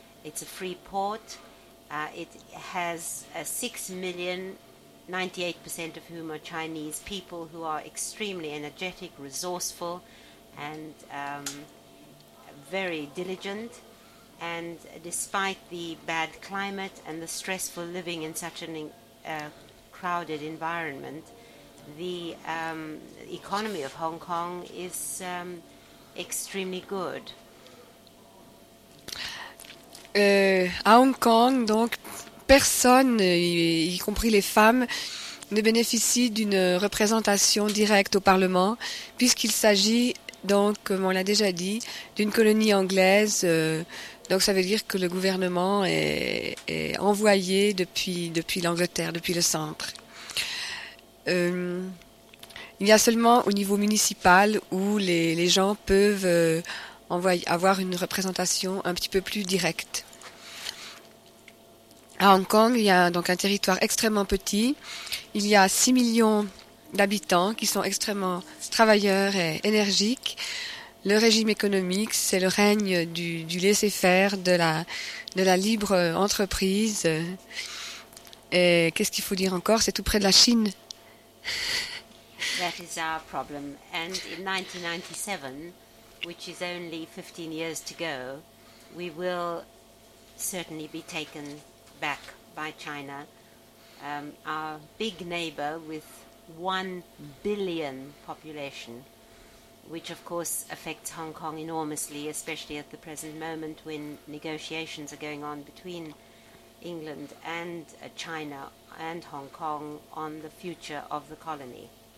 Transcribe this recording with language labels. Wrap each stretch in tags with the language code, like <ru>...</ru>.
<en>It's a free port. It has 6 million, 98% of whom are Chinese people, who are extremely energetic, resourceful, and very diligent. And despite the bad climate and the stressful living in such an crowded environment, the economy of Hong Kong is extremely good.</en> <fr>À Hong Kong, donc, personne, y compris les femmes, ne bénéficie d'une représentation directe au Parlement, puisqu'il s'agit, donc, comme on l'a déjà dit, d'une colonie anglaise. Donc, ça veut dire que le gouvernement est envoyé depuis l'Angleterre, depuis le centre. Il y a seulement au niveau municipal où les gens peuvent avoir une représentation un petit peu plus directe. À Hong Kong, il y a donc un territoire extrêmement petit. Il y a 6 millions d'habitants qui sont extrêmement travailleurs et énergiques. Le régime économique, c'est le règne du laisser-faire, de la libre entreprise. Et qu'est-ce qu'il faut dire encore? C'est tout près de la Chine.</fr> <en>That is our problem. And in 1997, which is only 15 years to go, we will certainly be taken back by China. Our big neighbor with 1 billion population, which of course affects Hong Kong enormously, especially at the present moment when negotiations are going on between England and China and Hong Kong on the future of the colony.</en>